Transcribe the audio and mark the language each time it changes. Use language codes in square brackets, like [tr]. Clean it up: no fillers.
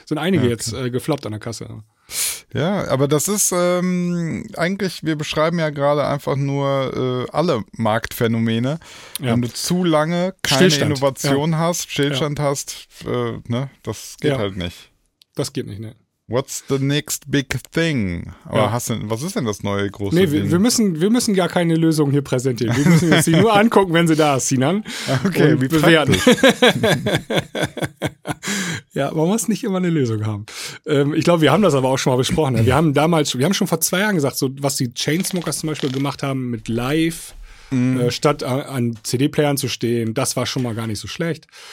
[de] Sind einige jetzt gefloppt an der Kasse. Ja, aber das ist eigentlich, wir beschreiben ja gerade einfach nur alle Marktphänomene. Ja. Wenn du zu lange keine Stillstand. Innovation hast, Stillstand hast, ne, das geht halt nicht. Das geht nicht, ne. [en] What's the next big thing? [de] Aber was ist denn das neue große Ding? Nee, wir müssen gar keine Lösung hier präsentieren. Wir müssen sie nur angucken, wenn sie da ist, Sinan. Okay, und wie bewerten. Ja, man muss nicht immer eine Lösung haben. Ich glaube, wir haben das aber auch schon mal besprochen. Wir haben damals, wir haben schon vor 2 Jahren gesagt, so was die Chainsmokers zum Beispiel gemacht haben mit Live, statt an CD-Playern zu stehen, das war schon mal gar nicht so schlecht.